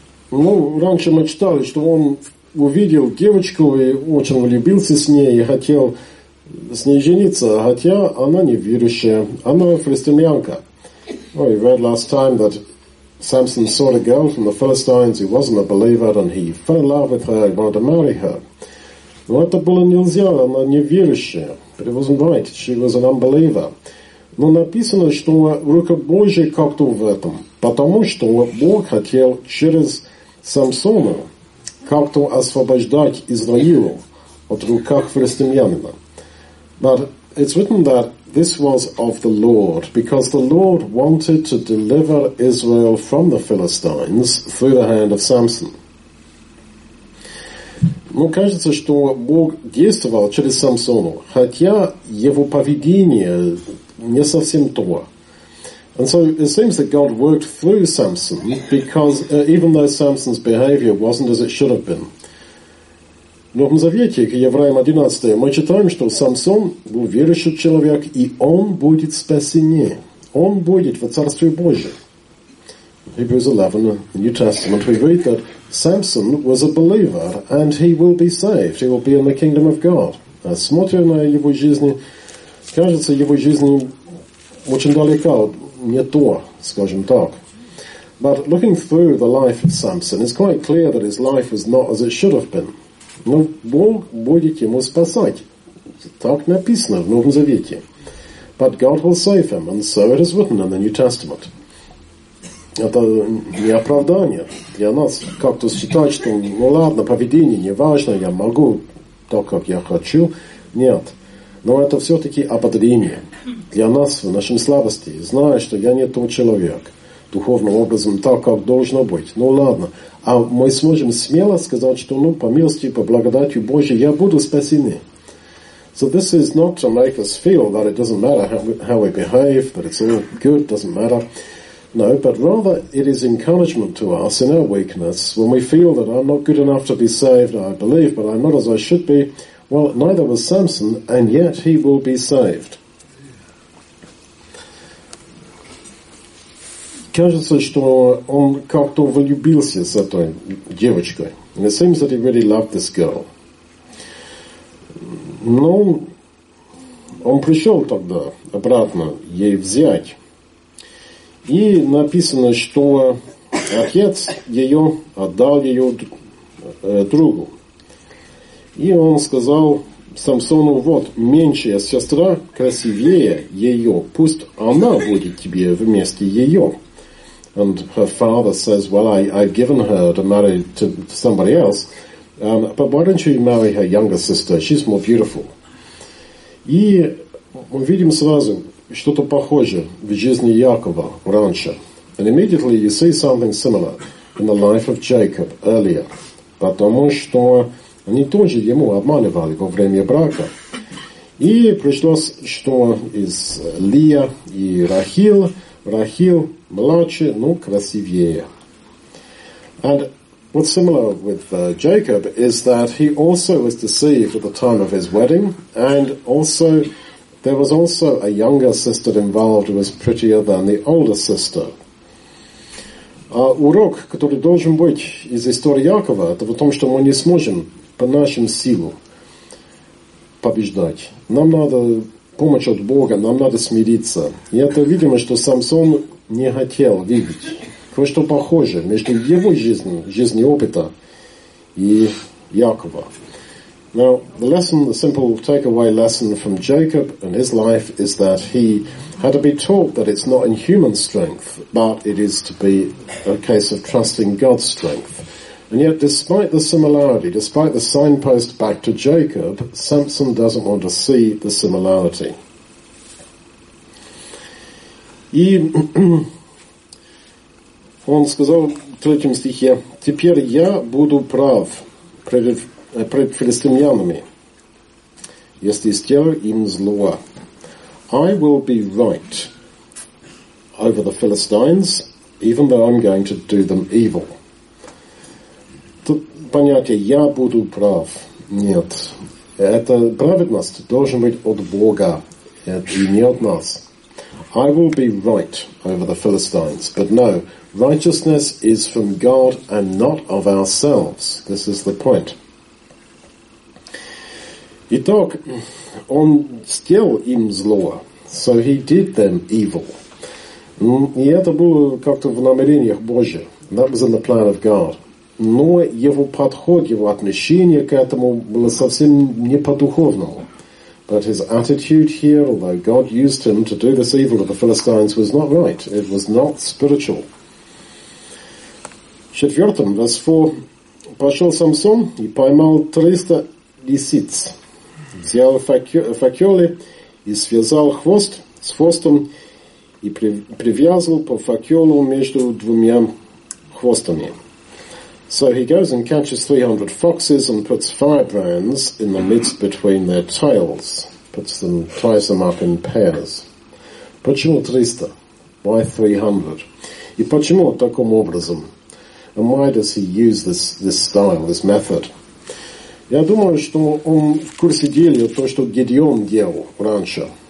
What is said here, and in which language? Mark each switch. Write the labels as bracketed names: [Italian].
[Russian] Ну, раньше мы читали, что он увидел девочку и очень влюбился с ней, и хотел с ней жениться, хотя она не верующая, она филистимлянка. [English] Well, we read last time that Samson saw a girl from the Philistines, he wasn't a believer, and he fell in love with her, he wanted to marry her. [Russian] Но это было нельзя, она неверующая. [English] But it wasn't right, she was an unbeliever. [Russian] Но написано, что рука Божия как-то в этом. Потому что Бог хотел через Самсона как-то освобождать Израилу от руках филистимлянина. [English] But it's written that this was of the Lord, because the Lord wanted to deliver Israel from the Philistines through the hand of Samson. [Russian] Но кажется, что Бог действовал через Самсона, хотя его поведение не совсем то. [English] And so it seems that God worked through Samson, because even though Samson's behavior wasn't as it should have been. [Russian] В Новом Завете, к Евреям 11, мы читаем, что Самсон был верующий человек, и он будет спасение. Он будет во Царстве Божьем. [English] Hebrews 11, the New Testament, we read that Samson was a believer, and he will be saved. He will be in the kingdom of God. [Russian] Смотрим на его жизни, кажется, его жизнь очень далека, не то, скажем так. [English] But looking through the life of Samson, it's quite clear that his life was not as it should have been. [Russian] Но Бог будет ему спасать. Так написано в Новом Завете. [English] But God will save him, and so it is written in the New Testament. [Russian] Это не оправдание для нас как-то считать, что, ну ладно, поведение не важно, я могу так, как я хочу. Нет. Но это все-таки ободрение для нас в нашем слабости, зная, что я не тот человек, духовным образом так, как должно быть. Ну ладно. А мы сможем смело сказать, что, ну, по милости, по благодати Божьей, я буду спасены. [English] So this is not to make us feel that it doesn't matter how we behave, that it's all good, doesn't matter. No, but rather it is encouragement to us in our weakness when we feel that I'm not good enough to be saved, I believe, but I'm not as I should be. Well, neither was Samson, and yet he will be saved. [Russian] Кажется, что он как-то влюбился с этой девочкой. [English] And it seems that he really loved this girl. [Russian] Но он пришел тогда обратно ей взять. И написано, что отец ее отдал ее другу. И он сказал Самсону, вот, меньшая сестра, красивее ее, пусть она будет тебе вместе ее. [English] And her father says, well, I've given her to marry to somebody else, but why don't you marry her younger sister? She's more beautiful. [Russian] И мы видим сразу что-то похожее в жизни Якова раньше. [English] And immediately you see something similar in the life of Jacob earlier. [Russian] Потому что они тоже ему обманывали во время брака. И пришлось, что из Лия и Рахил, Рахил младше, но красивее. [English] And what's similar with Jacob is that he also was deceived at the time of his wedding, and also there was also a younger sister involved who was prettier than the older sister. [Russian] Урок, который должен быть из истории Якова, это в том, что мы не сможем по нашим силам побеждать. Нам надо помощь от Бога, нам надо смириться. И это видимо, что Самсон не хотел видеть. Кое-что похоже между его жизнью, жизнью опыта и Якова. [English] Now, the lesson, the simple takeaway lesson from Jacob and his life is that he had to be taught that it's not in human strength, but it is to be a case of trusting God's strength. And yet, despite the similarity, despite the signpost back to Jacob, Samson doesn't want to see the similarity. [Russian] И он сказал в третьем стихе, теперь я буду прав пред филистимлянами, если сделаю им зло. [English] I will be right over the Philistines, even though I'm going to do them evil. [Russian] Тут понятие «я буду прав». Нет, Эта праведность должна быть от Бога, и не от нас. [English] I will be right over the Philistines, but no, righteousness is from God and not of ourselves. This is the point. [Russian] Итак, он сделал им зло. [English] So he did them evil. [Russian] И это было как-то в намерениях Божьих. [English] That was in the plan of God. [Russian] Но его подход, его отношение к этому было совсем не по-духовному. [English] But his attitude here, although God used him to do this evil to the Philistines, was not right. It was not spiritual. [Russian] Четвертым, [English] verse 4. [Russian] Пошел Самсон и поймал 300 лисиц. Взял факелы и связал хвост с хвостом и привязал по факелу между двумя хвостами. [English] So he goes and catches 300 foxes and puts firebrands in the midst between their tails. Ties them up in pairs. [Russian] Почему 300? [English] Why 300? [Russian] И почему таким образом? [English] And why does he use this style, this method? [Russian] Я думаю, что он в курсе дела то, что Гедеон делал раньше.